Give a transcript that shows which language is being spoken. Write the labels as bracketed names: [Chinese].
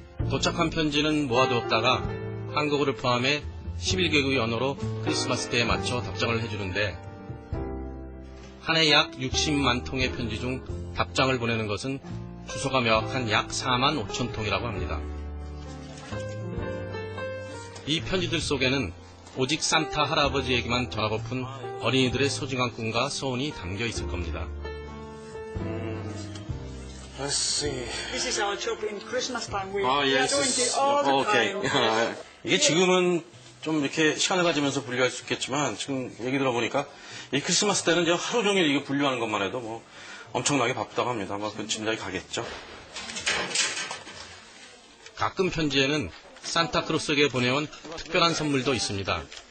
[Korean] 도착한 편지는 모아두었다가 한국어를 포함해 11개국 언어로 크리스마스 때에 맞춰 답장을 해주는데 한 해 약 60만 통의 편지 중 답장을 보내는 것은 주소가 명확한 약 4만 5천 통이라고 합니다. 이 편지들 속에는 오직 산타 할아버지에게만 전하고픈 어린이들의 소중한 꿈과 소원이 담겨 있을 겁니다. [English] Let's see. This is our job in Christmas time. We are doing it all the time. [Korean] 이게 지금은 좀 이렇게 시간을 가지면서 분류할 수 있겠지만 지금 얘기 들어보니까 이 크리스마스 때는 이제 하루 종일 이거 분류하는 것만 해도 뭐 엄청나게 바쁘다고 합니다. 아마 그 짐작이 가겠죠. 가끔 편지에는 산타크로스에게 보내온 특별한 선물도 있습니다.